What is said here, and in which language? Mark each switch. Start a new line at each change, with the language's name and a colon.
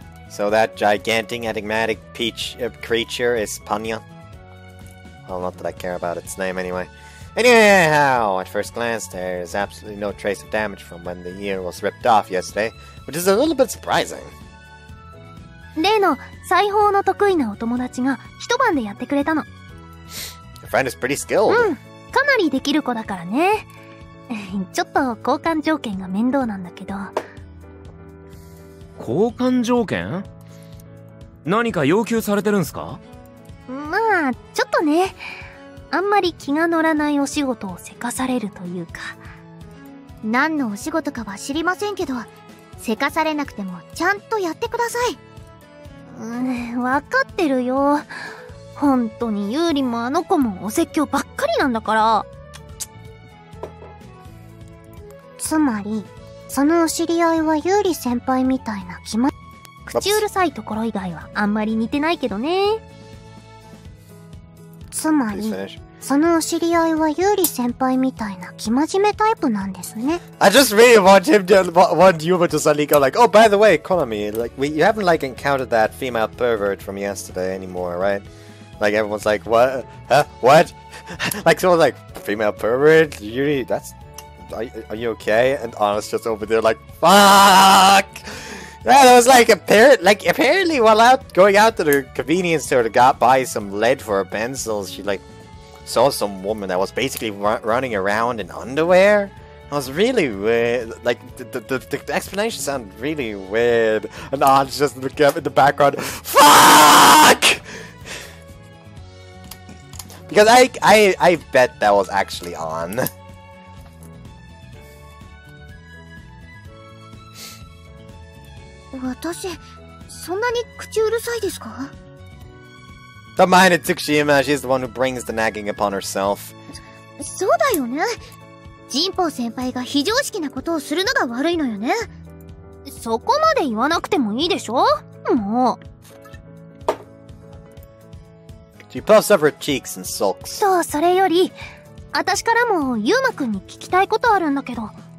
English: So that gigantic, enigmatic peach, creature is Ponyo? Well, not that I care about its name anyway. Anyhow, at first glance, there is absolutely no trace of damage from when the ear was ripped off yesterday, which is a little bit surprising.
Japanese: 例の裁縫の得意なお友達が一晩でやってくれたの。
English: Your friend is pretty skilled.
Japanese: うん、かなりできる子だからね。ちょっと交換条件が面倒なんだけど。交換条件? 何か要求されてるんすか? まあちょっとね、あんまり気が乗らないお仕事をせかされるというか、何のお仕事かは知りませんけど、せかされなくてもちゃんとやってください。分かってるよ。本当にユーリもあの子もお説教ばっかりなんだから。つまりそのお知り合いはユーリ先輩みたいな気ま、口うるさいところ以外はあんまり似てないけどね。つまり、そのお知り合いはユーリ先輩みたいな気まじめタイプなんですね。
English: I just really want him to want Yuma to suddenly go like, oh, by the way, Konami, like, we, you haven't like encountered that female pervert from yesterday anymore, right? Like, everyone's like, what? Huh? What? Like, someone's like, female pervert? Yuri, that's... Are you okay? And Anna's just over there like, fuck! Yeah, that was like, apparently while out going out to the convenience store to got buy some lead for her pencils, she like saw some woman that was basically running around in underwear. It was really weird. Like, the explanation sounded really weird. And Anna's just in the background, fuck! Because I bet that was actually on. Don't mind it, Tsukishima. She's the one who brings the nagging upon herself.
Japanese: そうだよね。神保先輩が非常識なことをするのが悪いのよね。そこまで言わなくてもいいでしょ? もう。
English: She puffs up her cheeks and sulks.
Japanese: そう、それより、私からもユーマくんに聞きたいことあるんだけど。